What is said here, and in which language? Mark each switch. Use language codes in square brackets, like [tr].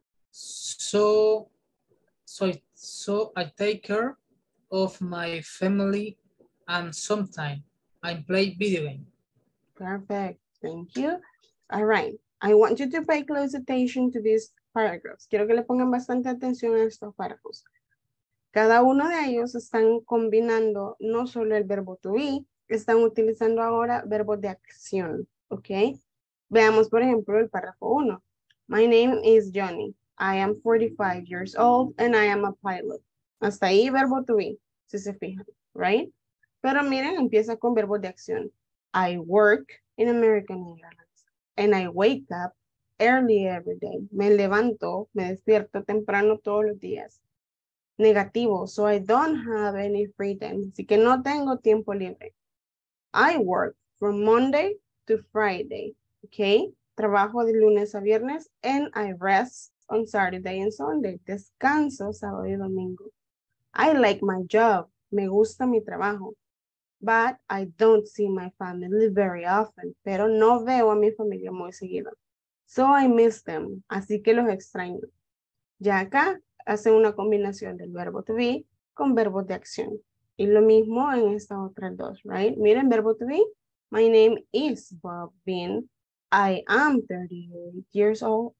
[en] So I take care of my family, and sometimes I play video game. Perfect. Thank you. All right. I want you to pay close attention to these paragraphs. [es] Quiero que le pongan bastante atención a estos párrafos. Cada uno de ellos están combinando no solo el verbo to be, están utilizando ahora verbos de acción, ¿ok? Veamos, por ejemplo, el párrafo 1. [en] My name is Johnny. I am 45 years old and I am a pilot. [es] Hasta ahí, verbo to be, si se fijan, ¿right? Pero miren, empieza con verbos de acción. [en] I work in American Airlines and I wake up early every day. [es] Me levanto, me despierto temprano todos los días. [en] Negativo, so I don't have any free time. [es] Así que no tengo tiempo libre. [en] I work from Monday to Friday, okay? [es] Trabajo de lunes a viernes, [en] and I rest on Saturday and Sunday. [es] Descanso sábado y domingo. [en] I like my job. [es] Me gusta mi trabajo. [en] But I don't see my family very often. [es] Pero no veo a mi familia muy seguido. [en] So I miss them. [es] Así que los extraño. Ya acá hace una combinación del verbo to be con verbos de acción. Y lo mismo en estas otras dos, right? Miren, verbo to be. [en] My name is Bob Bean. I am 38 years old.